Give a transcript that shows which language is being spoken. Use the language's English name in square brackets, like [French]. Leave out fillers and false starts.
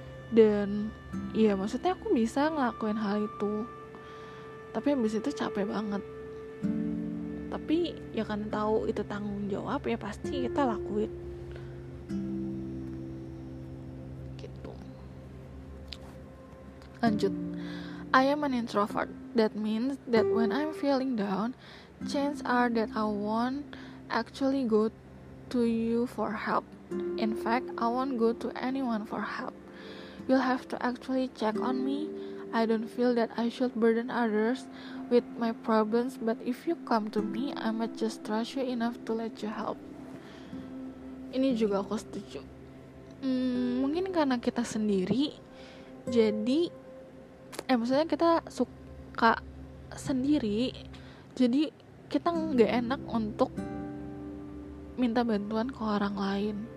[Indonesian] Dan ya maksudnya aku bisa ngelakuin hal itu, tapi abis itu capek banget. Tapi ya kan tahu itu tanggung jawab, ya pasti kita lakuin gitu. [English] Lanjut, I am an introvert. That means that when I'm feeling down, chances are that I won't actually go to you for help. In fact, I won't go to anyone for help. You'll have to actually check on me. I don't feel that I should burden others with my problems, but if you come to me, I might just trust you enough to let you help. [Indonesian] Ini juga aku setuju. Mungkin karena kita sendiri, jadi maksudnya kita suka sendiri, jadi kita gak enak untuk minta bantuan ke orang lain.